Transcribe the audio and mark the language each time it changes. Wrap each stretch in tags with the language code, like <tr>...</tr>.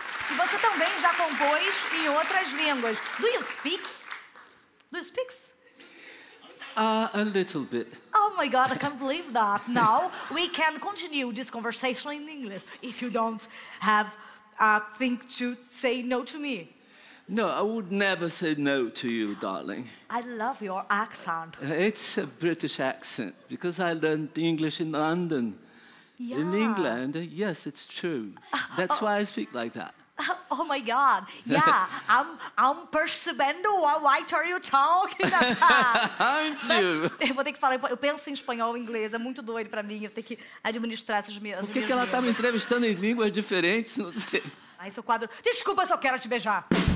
<pt>E você também já compôs em outras línguas.</pt> <en>Do you speak? Do you speak? A little bit. Oh my God, I can't believe that. Now we can continue this conversation in English if you don't have a thing to say no to me. No, I would never say no to you, darling. I love your accent. It's a British accent because I learned English in London. Yeah. In England, yes, it's true. That's why I speak like that. Oh my God! Yeah, I'm percebendo what are you talking about? Aren't you?</en> <pt>Eu vou ter que falar. Eu penso em espanhol e inglês. É muito doido para mim. Eu tenho que administrar essas minhas. Por que ela está me entrevistando em línguas diferentes? Não sei. Aí seu quadro. Desculpa, só quero te beijar.</pt>